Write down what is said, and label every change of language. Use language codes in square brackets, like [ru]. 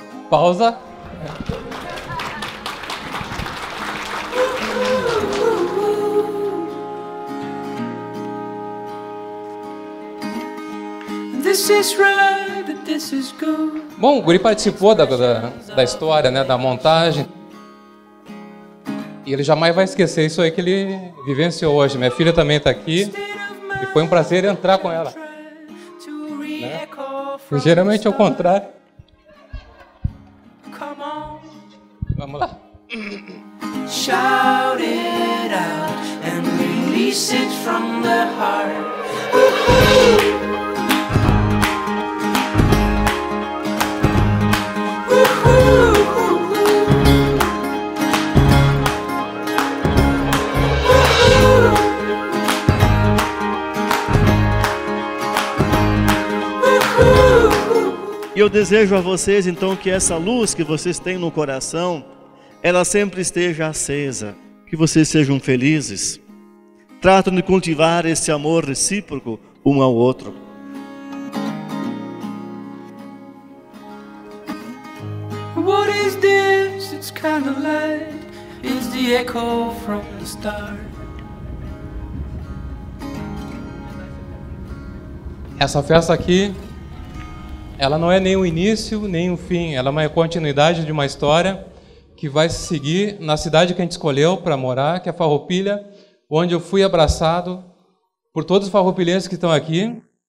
[pt] Pausa. [en] This is right, this is good. [pt] Bom, o guri participou da história, né, da montagem. E ele jamais vai esquecer isso aí que ele vivenciou hoje. Minha filha também está aqui. E foi um prazer entrar com ela. Né? Geralmente é o contrário. Vamos lá. [en] Shout it out and release it from the heart. [pt] Eu desejo a vocês, então, que essa luz que vocês têm no coração, ela sempre esteja acesa. Que vocês sejam felizes. Tratem de cultivar esse amor recíproco um ao outro. [en] What is this? It's kind of light. It's the echo from the star. [pt] Essa festa aqui, ela não é nem o início, nem o fim. Ela é uma continuidade de uma história que vai se seguir na cidade que a gente escolheu para morar, que é Farroupilha, onde eu fui abraçado por todos os farroupilhenses que estão aqui.